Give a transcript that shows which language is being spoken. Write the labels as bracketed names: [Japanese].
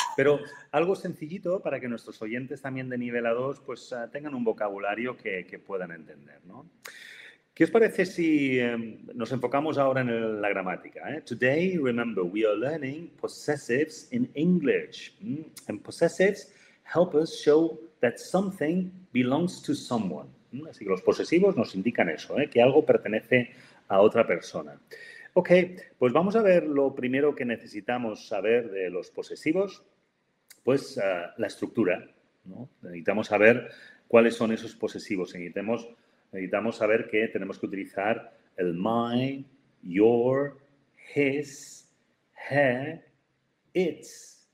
[Spanish] Pero algo sencillito para que nuestros oyentes también de nivel A2 pues tengan un vocabulario que puedan entender, ¿no? ¿Qué os parece si nos enfocamos ahora en la gramática? [English] Today, remember, we are learning possessives in English. And possessives help us show that something belongs to someone. [Spanish] Así que los posesivos nos indican eso, que algo pertenece a otra persona. Ok, pues vamos a ver lo primero que necesitamos saber de los posesivos. Pues la estructura, ¿no? Necesitamos saber cuáles son esos posesivos. Necesitamos saber que tenemos que utilizar el my, your, his, her, its.